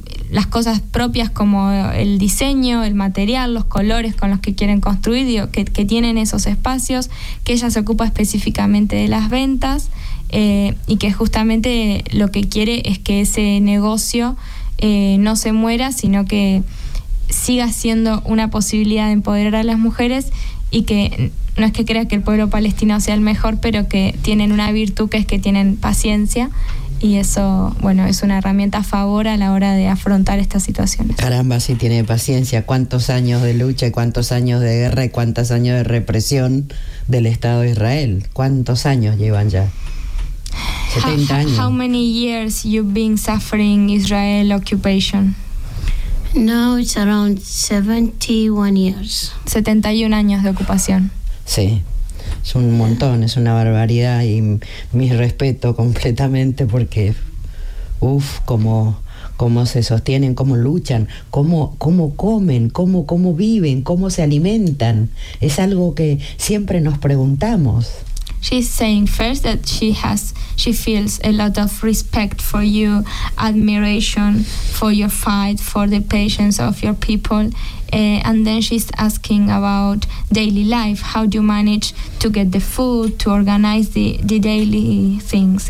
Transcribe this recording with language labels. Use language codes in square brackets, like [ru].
[es] las cosas propias como el diseño, el material, los colores con los que quieren construir, que tienen esos espacios, que ella se ocupa específicamente de las ventas, y que justamente lo que quiere es que ese negocio no se muera, sino que siga siendo una posibilidad de empoderar a las mujeres, y que no es que crea que el pueblo palestino sea el mejor, pero que tienen una virtud, que es que tienen paciencia. Y eso, bueno, es una herramienta a favor a la hora de afrontar estas situaciones. Caramba, si tiene paciencia. ¿Cuántos años de lucha y cuántos años de guerra y cuántos años de represión del Estado de Israel? ¿Cuántos años llevan ya? 70 años. [en] How many years you've been suffering Israel occupation? No, it's around 71 years. [es] 71 años de ocupación. Sí. Es un montón, es una barbaridad, y mi respeto completamente, porque uff, cómo se sostienen, cómo luchan, cómo comen, cómo viven, cómo se alimentan. Es algo que siempre nos preguntamos. [en] She's saying first that she feels a lot of respect for you, admiration for your fight, for the patience of your people. And then she's asking about daily life. How do you manage to get the food, to organize the daily things?